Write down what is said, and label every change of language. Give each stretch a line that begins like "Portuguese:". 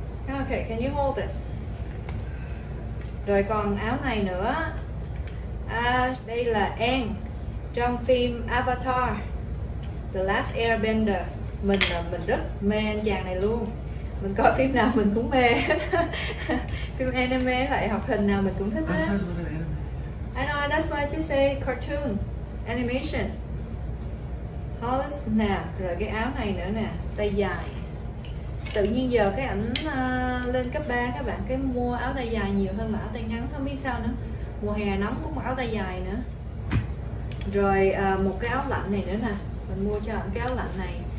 English: Ok, can you hold this?
Vietnamese: Rồi còn áo này nữa. À, đây là Aang trong phim Avatar The Last Airbender. Mình rất mê anh chàng này luôn. Mình coi phim nào mình cũng mê. Phim anime lại học hình nào mình cũng thích hết.
English: I know, that's why I just say cartoon, animation.
Vietnamese: Hollis nè, rồi cái áo này nữa nè, tay dài. Tự nhiên giờ cái ảnh lên cấp 3 các bạn, cái mua áo tay dài nhiều hơn là áo tay ngắn, không biết sao nữa. Mùa hè nóng cũng mặc áo tay dài nữa. Rồi một cái áo lạnh này nữa nè, mình mua cho ảnh cái áo lạnh này.